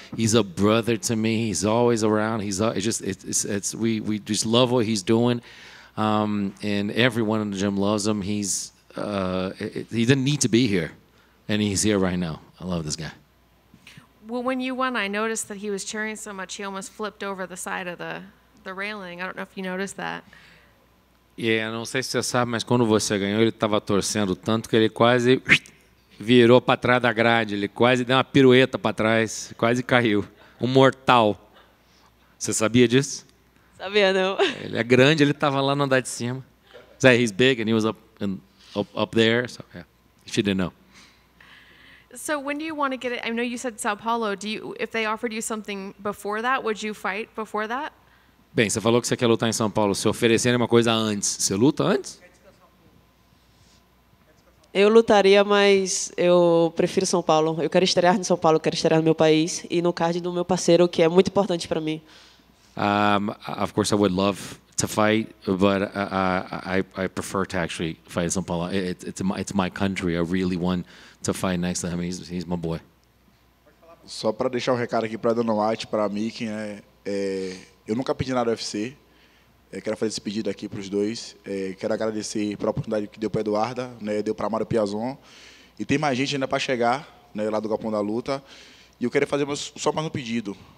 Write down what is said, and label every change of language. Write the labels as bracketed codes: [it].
[en] He's a brother to me. He's always around. We just love what he's doing, and everyone in the gym loves him. He didn't need to be here, and he's here right now. I love this guy. Well, when you won, I noticed that he was cheering so much, he almost flipped over the side of the railing. I don't know if you noticed that. [pt] Yeah, não sei se você sabe, mas quando você ganhou, ele estava torcendo tanto que ele quase virou para trás da grade. Ele quase deu uma pirueta para trás, quase caiu. Um mortal. Você sabia disso? Sabia, não. Ele é grande, ele estava lá no andar de cima. [en] So he's big and he was up there. So yeah, she didn't know. So when do you want to get it? I know you said Sao Paulo. Do you, if they offered you something before that, would you fight before that? [pt] Bem, você falou que você quer lutar em São Paulo. Se oferecerem uma coisa antes, você luta antes? Eu lutaria, mas eu prefiro São Paulo. Eu quero estrear em São Paulo, quero estrear no meu país e no card do meu parceiro, que é muito importante para mim. [en] Of course, I would love to fight, but I prefer to actually fight in São Paulo. It's my country. I really want to fight next to him. He's my boy. [pt] Só para deixar um recado aqui para Dana White, para a Miki, eu nunca pedi nada do UFC. Quero fazer esse pedido aqui para os dois. Quero agradecer pela oportunidade que deu para a Eduarda, né? Deu para a Mário Piazon. E tem mais gente ainda para chegar, né? Lá do Galpão da Luta. E eu queria fazer só mais um pedido.